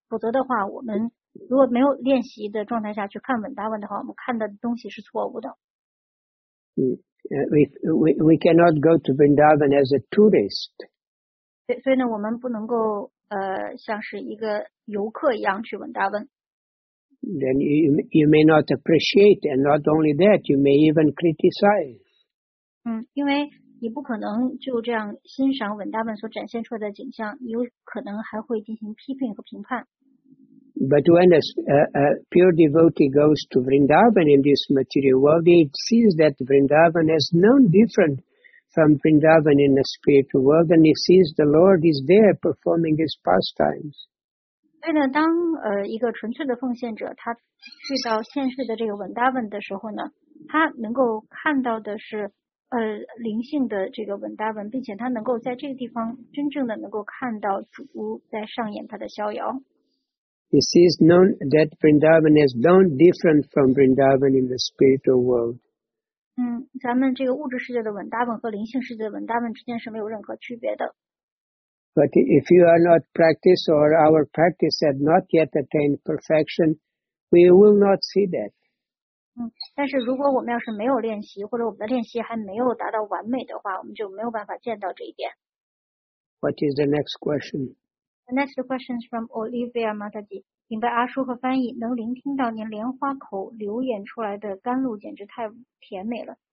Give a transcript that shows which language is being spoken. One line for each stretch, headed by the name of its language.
Chinese: 否则的话，我们如果没有练习的状态下去看文达文的话，我们看的东西是错误的。
English: 嗯。We cannot go to Vrindavan as a tourist.
Chinese: 对，所以呢，我们不能够像是一个游客一样去文达文。
English: Then you may not appreciate, and not only that, you may even criticize.
Chinese: 因为你不可能就这样欣赏文达文所展现出来的景象，你有可能还会进行批评和评判。
English: But when a pure devotee goes to Vrindavan in this material world, he sees that Vrindavan is no different from Vrindavan in the spiritual world, and he sees the Lord is there performing his pastimes.
Chinese: 对呢，当一个纯粹的奉献者他去到现世的这个文达文的时候呢，他能够看到的是灵性的这个文达文，并且他能够在这个地方真正的能够看到主在上演他的逍遥。
English: He sees known that Vrindavan is no different from Vrindavan in the spiritual world.
Chinese: 咱们这个物质世界的文达文和灵性世界的文达文之间是没有任何区别的。
English: But if you are not practice or our practice had not yet attained perfection, we will not see that.
Chinese: 但是如果我们要是没有练习，或者我们的练习还没有达到完美的话，我们就没有办法见到这一点。
English: What is the next question? The next question is from Olivia Mataji.
Chinese: 明白阿叔和翻译，能聆听到您莲花口流眼出来的甘露简直太甜美了。